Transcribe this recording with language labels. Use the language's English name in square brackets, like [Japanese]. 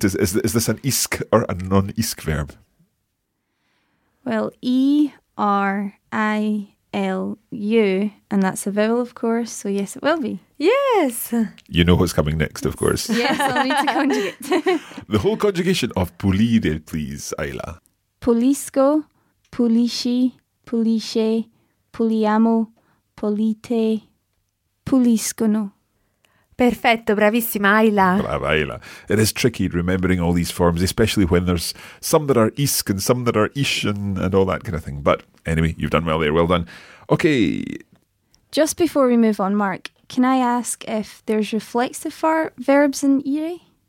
[English] Is this an isk or a non-isk verb? Well, E-R-I-L-U, and that's a vowel, of course, so yes, it will be. Yes! You know what's coming next, of course. Yes, I'll need to conjugate. The whole conjugation of pulire, please, Ayla. [Italian] Pulisco, pulisci, pulisce, puliamo, pulite, puliscono. Perfetto, bravissima Ayla. Brava Ayla. [English] It is tricky remembering all these forms, especially when there's some that are isk and some that are ish and all that kind of thing. But anyway, you've done well there. Well done. Okay. Just before we move on, Mark, can I ask if there's reflexive verbs in ire?